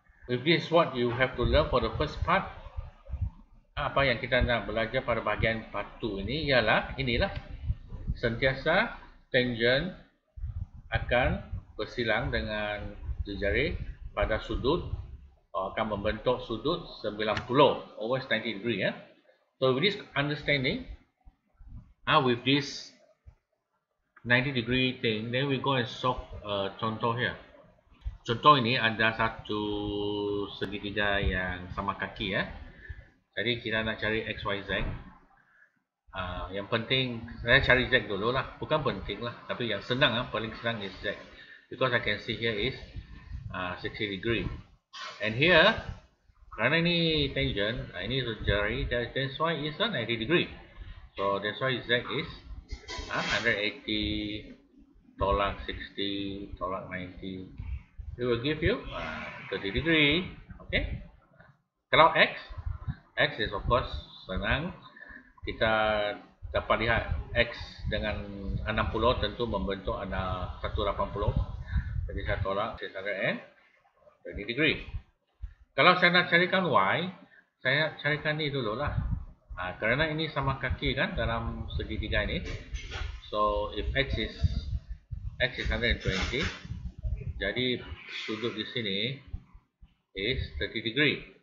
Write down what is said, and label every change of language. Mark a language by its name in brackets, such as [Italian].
[English] If this is what you have to learn for the first part, [Malay] apa yang kita nak belajar pada bahagian part 2 ini ialah inilah, sentiasa tangent akan bersilang dengan jejari pada sudut, akan membentuk sudut 90, [English] always 90 degree. So with this understanding, with this 90 degree thing, then we go and solve contoh here. [Malay] Contoh ini ada satu segitiga yang sama kaki ya. Jadi kita nak cari X, Y, Z. Yang penting, saya cari Z dulu lah. Bukan penting lah, tapi yang senang lah, paling senang is Z. [English] Because I can see here is 60 degree. And here, [Malay] kerana ini tangent, ini jari, [English] that's why it's 90 degree. So that's why Z is 180, [Malay] tolak 60, tolak 90. [English] It will give you 30 degree, okay? Kalau X, X is of course senang. [Malay] Kita dapat lihat X dengan 60 tentu membentuk ada 180. Jadi saya tolak, saya tolak N, 30 degree. Kalau saya nak carikan Y, saya nak carikan ni dulu lah. Kerana ini sama kaki kan dalam segitiga ini. [English] So, if X is 120, [Malay] jadi sudut di sini is 30 degree.